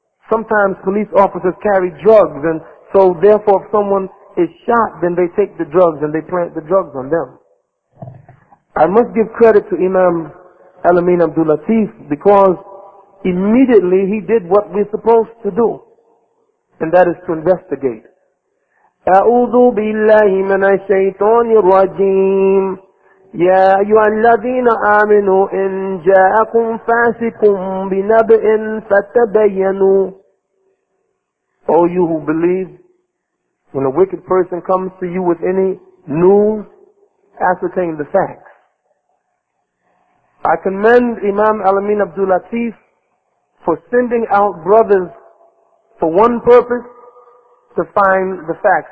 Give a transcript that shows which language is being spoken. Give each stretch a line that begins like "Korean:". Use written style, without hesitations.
English: Sometimes police officers carry drugs, and so therefore if someone is shot, then they take the drugs and they plant the drugs on them. I must give credit to Imam Al-Amin Abdul Latif, because immediately he did what we're supposed to do, and that is to investigate.
Arabic: أعوذ بالله من الشيطان الرجيم يا أيها الذين آمنوا إن جاءكم فاسق بنبأ فتبينوا.
English: O you who believe, when a wicked person comes to you with any news, ascertain the facts. I commend Imam Al-Amin Abdul Latif for sending out brothers for one purpose, to find the facts.